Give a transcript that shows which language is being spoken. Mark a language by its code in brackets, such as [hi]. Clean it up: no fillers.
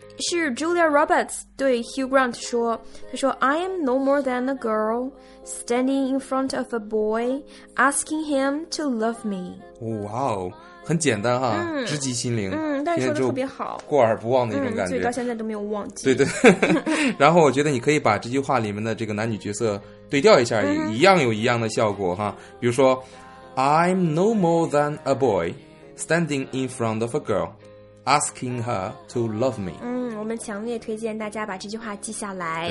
[en] 是 Julia Roberts 对 Hugh Grant [zh] 说，他说 [en] I am no more than a girl standing in front of a boy asking him to love me. [zh] 哇哦，很简单哈，直击心灵。但是说的特别好，过耳不忘的一种感觉，所以到现在都没有忘记。对对。然后我觉得你可以把这句话里面的这个男女角色对调一下，一样有一样的效果哈。比如说 [en] I'm no more than a boy standing in front of a girlAsking her to love me. [zh] 我们强烈推荐大家把这句话记下来。